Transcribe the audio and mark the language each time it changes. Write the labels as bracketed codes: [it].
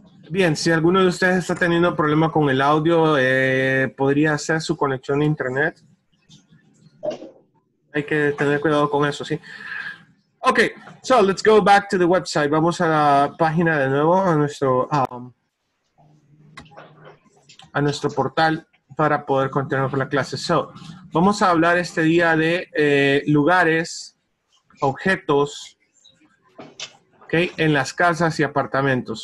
[es] Bien, si alguno de ustedes está teniendo problema con el audio, ¿podría hacer su conexión a internet? Hay que tener cuidado con eso, ¿sí? [en] Okay, so let's go back to the website. [es] Vamos a la página de nuevo, a nuestro portal para poder continuar con la clase. So, vamos a hablar este día de lugares, objetos, okay, en las casas y apartamentos.